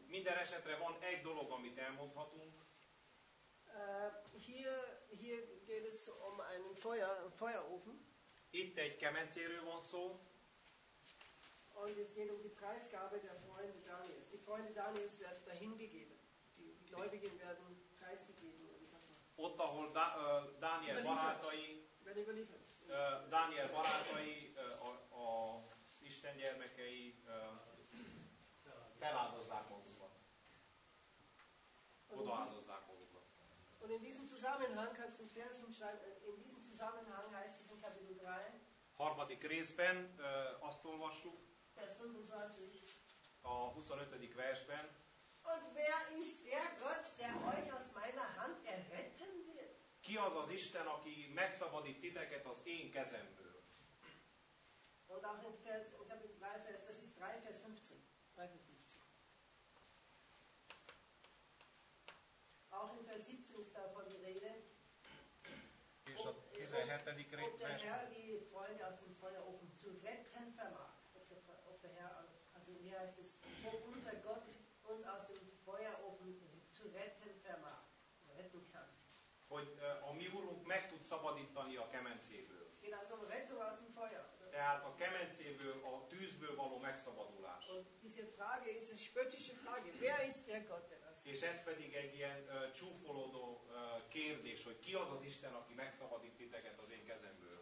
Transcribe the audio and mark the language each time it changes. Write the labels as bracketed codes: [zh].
[hu] Minden esetre van egy dolog, amit elmondhatunk. [de] Hier geht es um einen Feuer, einen Feuerofen. [hu] Itt egy kemencéről van szó. [de] Und es geht um die Preisgabe der Freunde Daniels. Die Freunde Daniels werden dahin gegeben. Die Gläubigen werden preisgegeben. [hu] Ott, ahol Daniel barátai, Daniel barátai, az Isten gyermekei feláldozzák magukat. Odaáldozzák magukat. [de] Und in diesem Zusammenhang kannst du den Vers hinschreiben. In diesem Zusammenhang heißt es in Kapitel 3. [hu] Harmadik részben azt olvassuk. [de] Vers 25. [hu] A 25. versben. [de] Und wer ist der Gott, der euch aus meiner Hand erretten wird? [hu] Ki az az Isten, aki megszabadít titeket az én kezemből? [de] Und auch in Vers, in Kapitel 3, Vers, das ist 3, Vers 15. 3, Vers 15. Auch in Vers 17 ist davon die Rede. [hu] És a 17. részben. [de] Ob der Herr die Freunde aus dem Feuerofen zu retten vermag. Ob der Herr, also hier heißt es, ob unser Gott uns aus dem Feuerofen zu retten vermag. Retten kann. [hu] Hogy a mi úrunk meg tud szabadítani a kemencéből. [de] Es geht also um Rettung aus dem Feuer. [hu] Tehát a kemencéből, a tűzből való megszabadulás. [de] Und diese Frage ist eine spöttische Frage. Wer ist der Gott, der [hu] az? És ez pedig egy ilyen csúfolódó kérdés, hogy ki az az Isten, aki megszabadít titeket az én kezemből.